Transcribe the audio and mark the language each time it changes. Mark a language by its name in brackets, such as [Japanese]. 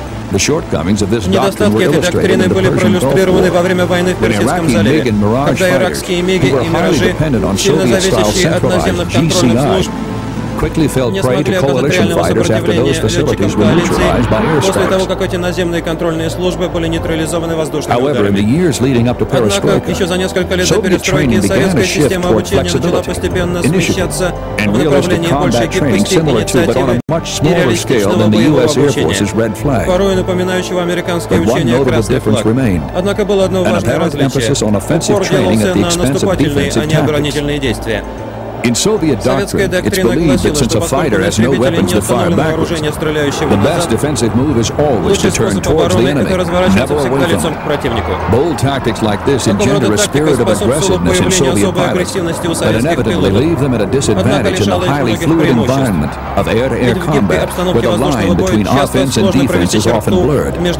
[English] The shortcomings of this doctrine were illustrated in the Persian Gulf War, when Iraqi MiG and Mirage fighters, who were highly dependent on Soviet-style central-ized GCI, quickly fell prey to coalition fighters after those facilities were neutralized by airstrikes. [Russian] После того, как эти наземные контрольные службы были нейтрализованы воздушными ударами. [English] However, in the years leading up to perestroika, [Russian] однако, еще за несколько лет до перестройки советская система обучения начала постепенно смещаться в направлении большей гибкости и инициативы нереалистичного боевого обучения, порой напоминающего американские учения «Красный флаг». Однако было одно важное различие. Упор делался на наступательные, а не оборонительные действия. [English] In Soviet doctrine, it's believed that since a fighter has no weapons to fire backwards, the best defensive move is always to turn towards the enemy, never away from them. Bold tactics like this engender a spirit of aggressiveness in Soviet pilots that inevitably leave them at a disadvantage in the highly fluid environment of air-to-air combat, where the line between offense and defense is often blurred.